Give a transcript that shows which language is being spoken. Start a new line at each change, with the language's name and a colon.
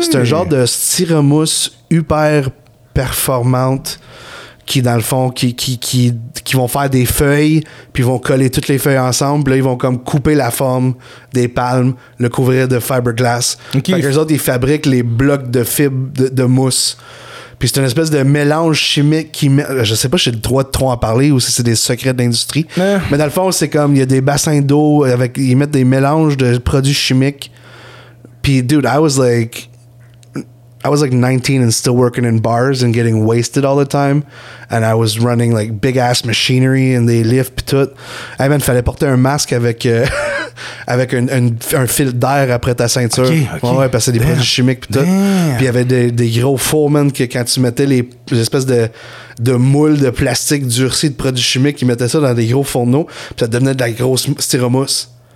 French: C'est un genre de styromousse hyper performante qui, dans le fond, qui vont faire des feuilles puis vont coller toutes les feuilles ensemble. Puis là, ils vont comme couper la forme des palmes, le couvrir de fiberglass. Okay. Fait que eux autres, ils fabriquent les blocs de fibres de mousse. Puis c'est une espèce de mélange chimique je sais pas si j'ai le droit de trop en parler ou si c'est des secrets de l'industrie. Mais dans le fond, c'est comme, il y a des bassins d'eau avec, ils mettent des mélanges de produits chimiques.
English: Puis dude, I was like 19 and still working in bars and getting wasted all the time. And I was running like big ass machinery and
French: des lifts pis tout. Eh ben, fallait porter un masque avec, avec un fil d'air après ta ceinture. Okay, okay. Ouais, parce que c'est des produits chimiques pis tout. Puis il y avait des gros foremen que quand tu mettais les espèces de moules de plastique durci de produits chimiques, ils mettaient ça dans des gros fourneaux pis ça devenait de la grosse styromousse.